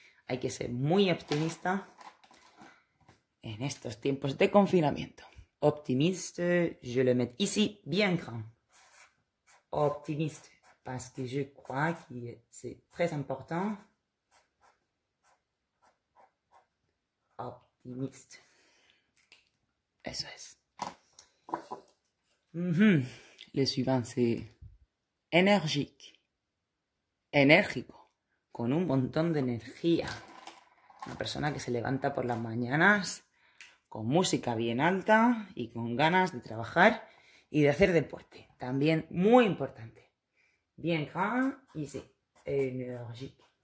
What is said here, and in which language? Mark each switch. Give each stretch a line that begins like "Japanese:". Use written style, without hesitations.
Spanish: Hay que ser muy optimista en estos tiempos de confinamiento.
French: Optimiste, je le mets ici, bien grand. Optimiste, parce que je crois que c'est très important.
Spanish: Optimiste. Eso es.
French: Le suivant, c'est énergique.
Spanish: Énergico. Con un montón de energía. Una persona que se levanta por las mañanas con música bien alta y con ganas de trabajar y de hacer deporte. También muy importante.
French: Bien grand
Spanish: y sí,
French: énergique.